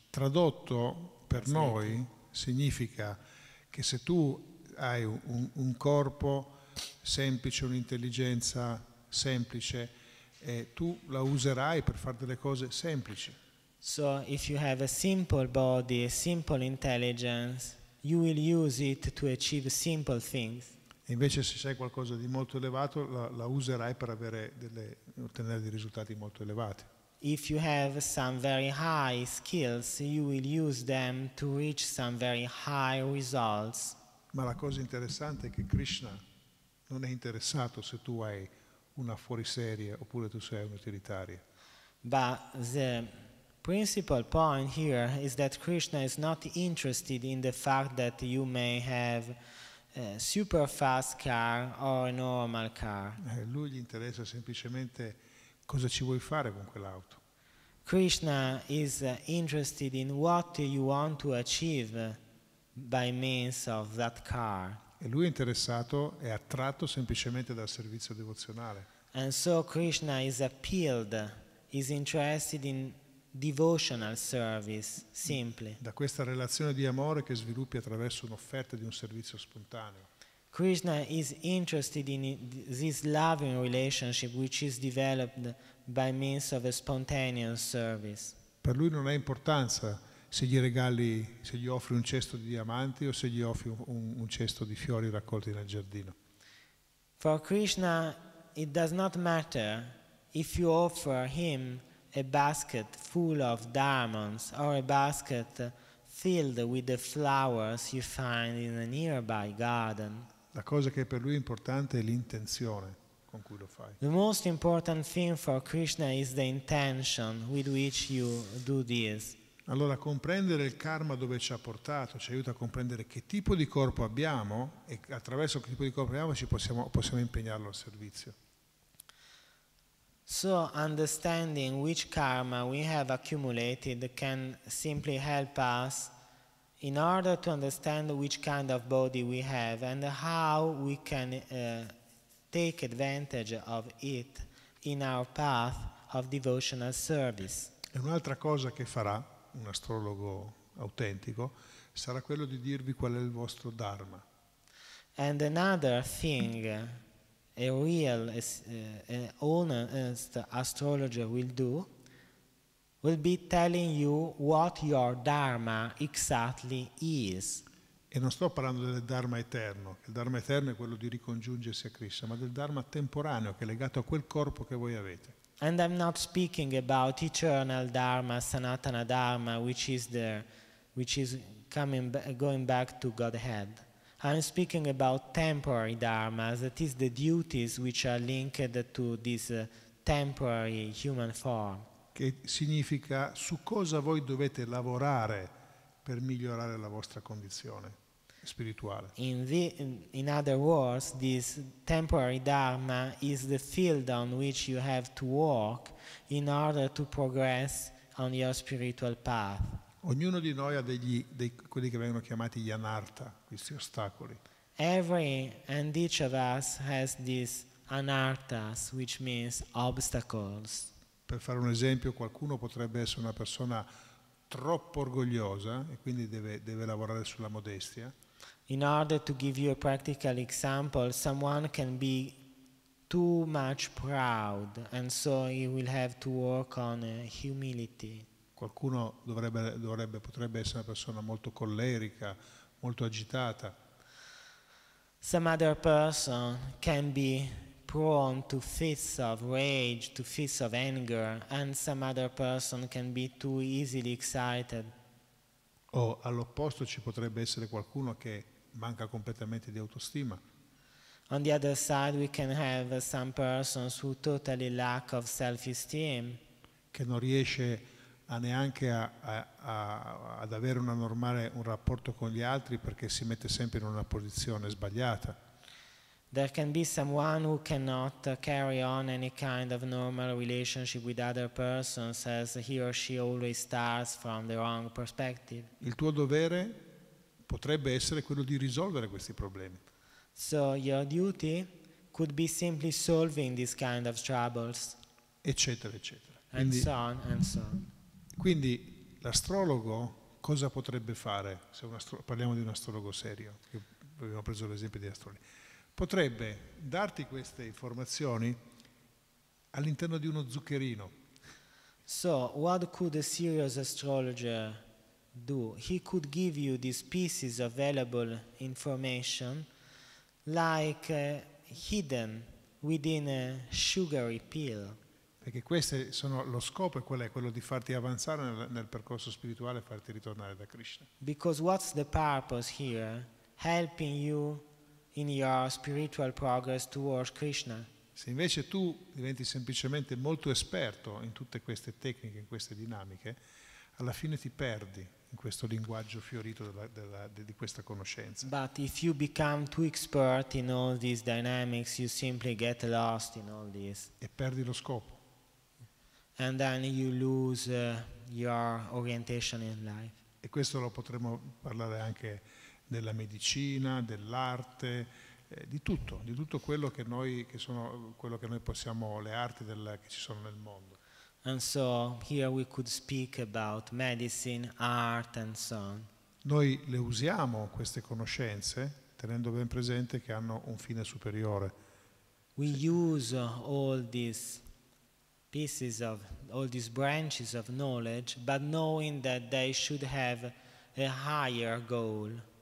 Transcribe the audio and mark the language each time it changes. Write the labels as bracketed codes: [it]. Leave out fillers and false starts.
[it] Tradotto per noi significa che se tu hai un corpo semplice, un'intelligenza semplice, e tu la userai per fare delle cose semplici. [en] So if you have a simple body, a simple intelligence, you will use it to achieve simple things. [it] E invece se sei qualcosa di molto elevato, la userai per ottenere dei risultati molto elevati. [en] If you have some very high skills, you will use them to reach some very high results. [it] Ma la cosa interessante è che Krishna non è interessato se tu hai una fuoriserie oppure tu sei un'utilitaria. [en] But the principal point here is that Krishna is not interested in the fact that you may have a super fast car or a normal car. [it] Lui gli interessa semplicemente cosa ci vuoi fare con quell'auto. [en] Krishna is interested in what you want to achieve by means of that car. [it] E lui è interessato, è attratto semplicemente dal servizio devozionale. [en] And so Krishna is appealed, is interested in devotional service, simply. [it] Da questa relazione di amore che sviluppi attraverso un'offerta di un servizio spontaneo. [en] Krishna is interested in this loving relationship which is developed by means of a spontaneous service. [it] Per lui non ha importanza se gli regali, se gli offri un cesto di diamanti o se gli offri un cesto di fiori raccolti nel giardino. [en] For Krishna it does not matter if you offer him a basket full of diamonds or a basket filled with the flowers you find in a nearby garden. [it] La cosa che per lui è importante è l'intenzione con cui lo fai. [en] The most important thing for Krishna is the intention with which you do this. [it] Allora, comprendere il karma dove ci ha portato ci aiuta a comprendere che tipo di corpo abbiamo e attraverso che tipo di corpo abbiamo possiamo impegnarlo al servizio. [en] So understanding which karma we have accumulated can simply help us in order to understand which kind of body we have and how we can take advantage of it in our path of devotional service. [it] E un'altra cosa che farà un astrologo autentico sarà quello di dirvi qual è il vostro dharma. [en] And another thing a real honest astrologer will do will be telling you what your dharma exactly is. [it] E non sto parlando del dharma eterno, il dharma eterno è quello di ricongiungersi a Krishna, ma del dharma temporaneo che è legato a quel corpo che voi avete. [en] And I'm not speaking about eternal dharma, sanatana dharma, which is going back to Godhead. I'm speaking about temporary dharma, that is the duties which are linked to this temporary human form. [it] Che significa su cosa voi dovete lavorare per migliorare la vostra condizione spirituale. [en] In other words, this temporary dharma is the field on which you have to walk in order to progress on your spiritual path. [it] Ognuno di noi ha quelli che vengono chiamati gli anartha, questi ostacoli. [en] Every and each of us has these anarthas, which means obstacles. [it] Per fare un esempio, qualcuno potrebbe essere una persona troppo orgogliosa e quindi deve lavorare sulla modestia. [en] In order to give you a practical example, someone can be too much proud and so he will have to work on humility. [it] Qualcuno potrebbe essere una persona molto collerica, molto agitata. [en] Some other person can be prone to fits of rage, to fits of anger, and some other person can be too easily excited. [it] O all'opposto ci potrebbe essere qualcuno che manca completamente di autostima. [en] On the other side we can have some persons who totally lack of self-esteem. [it] Che non riesce a neanche ad avere una normale un rapporto con gli altri perché si mette sempre in una posizione sbagliata. [en] There can be someone who cannot carry on any kind of normal relationship with other persons as he or she always starts from the wrong perspective. [it] Il tuo dovere potrebbe essere quello di risolvere questi problemi. [en] So your duty could be simply solving these kind of troubles. [it] Eccetera, eccetera. [en] And so on, and so on. [it] Quindi l'astrologo cosa potrebbe fare? Se parliamo di un astrologo serio, abbiamo preso l'esempio di astrologi. Potrebbe darti queste informazioni all'interno di uno zuccherino. [en] So what could a serious astrologer do? He could give you these pieces of valuable information like hidden within a sugary pill. [it] Perché queste sono lo scopo e quello è quello di farti avanzare nel percorso spirituale e farti ritornare da Krishna. [en] Because what's the purpose here? Helping you in your spiritual progress towards Krishna. [it] Se invece tu diventi semplicemente molto esperto in tutte queste tecniche, in queste dinamiche, alla fine ti perdi in questo linguaggio fiorito di questa conoscenza. [en] But if you become too expert in all these dynamics, you simply get lost in all this. [it] E perdi lo scopo. [en] And then you lose your orientation in life. [it] E questo lo potremmo parlare anche della medicina, dell'arte, di tutto quello che noi le arti che ci sono nel mondo. [en] And so here we could speak about medicine, art and so on. [it] Noi le usiamo queste conoscenze tenendo ben presente che hanno un fine superiore. [en] We use all these pieces of all these branches of knowledge, but knowing that they should have a higher goal.